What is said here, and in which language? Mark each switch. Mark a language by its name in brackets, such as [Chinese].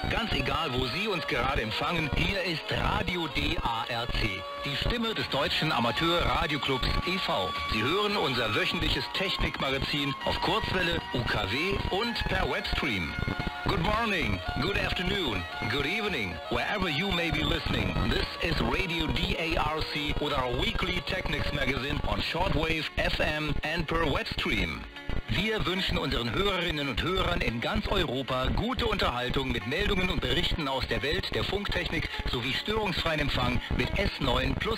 [German] Ganz egal, wo Sie uns gerade empfangen, hier ist Radio DARC, die Stimme des deutschen Amateur-Radioclubs e.V. Sie hören unser wöchentliches Technikmagazin auf Kurzwelle, UKW und per Webstream. [English] Good morning, good afternoon, good evening, wherever you may be listening. This is Radio DARC with our weekly Technics Magazine on Shortwave, FM and per Webstream. [German] Wir wünschen unseren Hörerinnen und Hörern in ganz Europa gute Unterhaltung mit Meldungen und Berichten aus der Welt der Funktechnik sowie störungsfreien Empfang mit S9++.